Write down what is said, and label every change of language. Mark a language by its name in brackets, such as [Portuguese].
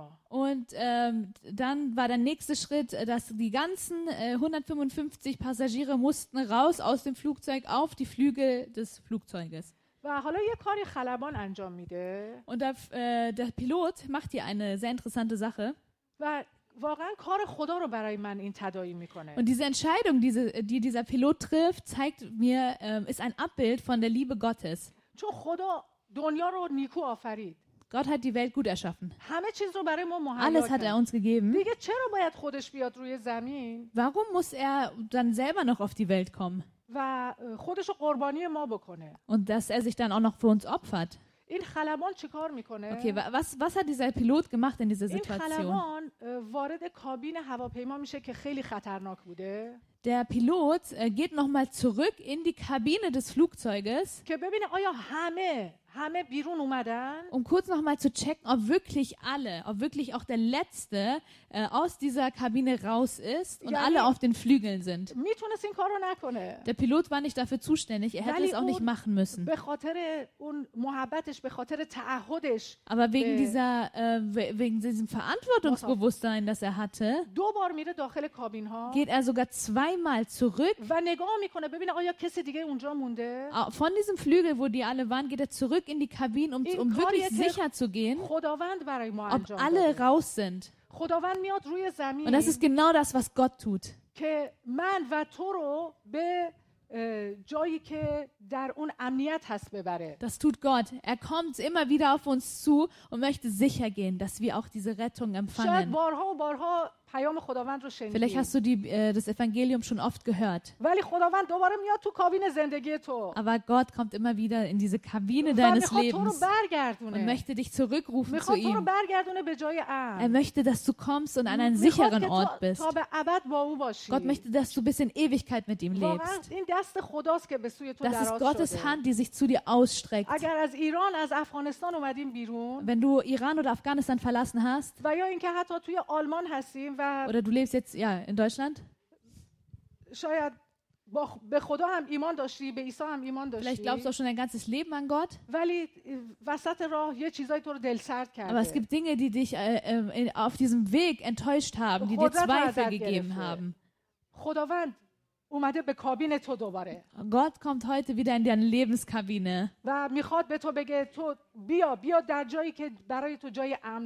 [German] Und dann war der nächste Schritt, dass die ganzen 155 Passagiere mussten raus aus dem Flugzeug auf die Flügel des Flugzeuges. Und der Pilot macht hier eine sehr interessante Sache. [Persian] واقعا کار خدا رو برای من این تداعی میکنه. [German] Und diese Entscheidung, die dieser Pilot trifft, zeigt mir ist ein Abbild von der Liebe Gottes. [Persian] چون خدا دنیا رو نیکو آفرید. [German] Gott hat die Welt gut erschaffen. [Persian] همه چیز رو برای ما مهیا. [German] Alles hat er uns gegeben. [Persian] دیگه چرا باید خودش بیاد روی زمین؟ [German] Warum muss er dann selber noch auf die Welt kommen? [Persian] و خودش رو قربانی ما بکنه. [German] Und dass er sich dann auch noch für uns opfert. [Persian] این خلبان چه کار میکنه؟ [German] Okay, was hat dieser Pilot gemacht in dieser Situation? [Persian] این خلبان وارد کابین هواپیما میشه که خیلی خطرناک بوده. [German] Der Pilot geht nochmal zurück in die Kabine des Flugzeuges. [Persian] که ببینه آیا همه بیرون اومدن؟ [German] Um kurz nochmal zu checken, ob wirklich alle, ob wirklich auch der letzte aus dieser Kabine raus ist und alle auf den Flügeln sind. [Persian] میتونست این کارو نکنه. [German] Der Pilot war nicht dafür zuständig. Er hätte es auch nicht machen müssen. [Persian] به خاطر اون محبتش، به خاطر تعهدش. [German] Aber wegen diesem Verantwortungsbewusstsein, das er hatte. [Persian] دوبار میره داخل کابین ها. [German] Geht er sogar zweimal zurück. [Persian] و نگاه میکنه ببینه آیا کسی دیگه اونجا مونده. [German] Von diesem Flügel, wo die alle waren, geht er zurück in die Kabine, um wirklich sicher zu gehen, ob alle raus sind. [Persian] خداوند میاد روی زمین. [German] Und das ist genau das, was Gott tut. [Persian] که من و تو رو به جایی که در اون امنیت هست ببره. [German] Das tut Gott. Er kommt immer wieder auf uns zu und möchte sicher gehen, dass wir auch diese Rettung empfangen. [Persian] شاید بارها و بارها پیام خداوند رو شنیدی. [German] Vielleicht hast du das Evangelium schon oft gehört. [Persian] ولی خداوند دوباره میاد تو کابین زندگی تو. [German] Aber Gott kommt immer wieder in diese Kabine deines Lebens. [Persian] میخواد تو رو برگردونه. [German] Und möchte dich zurückrufen zu ihm. [Persian] میخواد تو رو برگردونه به جای امن. [German] Er möchte, dass du kommst und an einen sicheren Ort bist. [Persian] تا به ابد با او باشی. [German] Gott möchte, dass du bis in Ewigkeit mit ihm lebst. [Persian] این دست خداست که به سوی تو دراز شده. [German] Das ist Gottes Hand, die sich zu dir ausstreckt. [Persian] اگر از ایران از افغانستان اومدیم بیرون. [German] Wenn du Iran oder Afghanistan verlassen hast. [Persian] و یا اینکه حتی توی آلمان هستیم. [German] Oder du lebst jetzt ja in Deutschland? [Persian] شاید به خدا هم ایمان داشتی، به عیسی هم ایمان داشتی. [German] Vielleicht glaubst du schon dein ganzes Leben an Gott? [Persian] ولی وسط راه یه چیزایی تو رو دلسرد کرده. [German] Aber es gibt Dinge, die dich auf diesem Weg enttäuscht haben, die dir Zweifel gegeben haben. [Persian] خداوند اومده به کابین تو دوباره. [German] Gott kommt heute wieder in deine Lebenskabine. [Persian] و میخواد به تو بگه تو بیا بیا در جایی که برای تو جای امن.